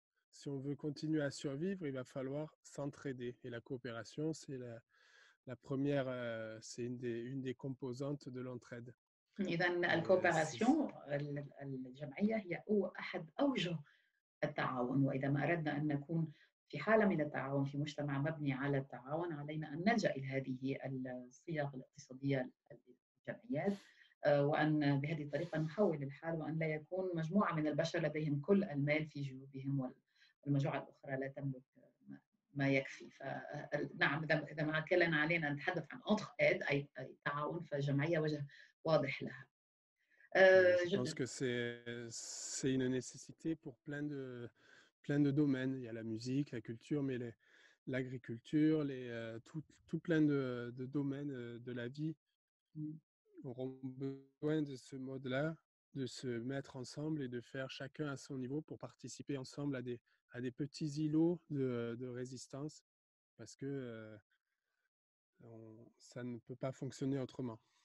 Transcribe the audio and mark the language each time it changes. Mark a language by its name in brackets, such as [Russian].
[French] Si on veut continuer à survivre, il va falloir s'entraider. Et la coopération, c'est la première, c'est une des composantes de l'entraide. [Arabic] إذن الكوبراسيون الجمعية هي أحد أوجه التعاون، وإذا ما أردنا أن نكون في حالة من التعاون في مجتمع مبني على التعاون، علينا أن نلجأ إلى هذه الصيغ الاقتصادية للجمعيات، وأن بهذه الطريقة نحول الحال، وأن لا يكون مجموعة من البشر لديهم كل المال في جيوبهم والمجموعة الأخرى لا تملك ما يكفي. فنعم، إذا ما كان علينا أن نتحدث عن أنتخيد أي تعاون، فالجمعية وجه واضح لها. [French] Je pense que c'est une nécessité pour plein de domaines. Il y a la musique, la culture, mais l'agriculture, tout plein de domaines de la vie auront besoin de ce mode-là, de se mettre ensemble et de faire chacun à son niveau pour participer ensemble à des petits îlots de résistance, parce que ça ne peut pas fonctionner autrement.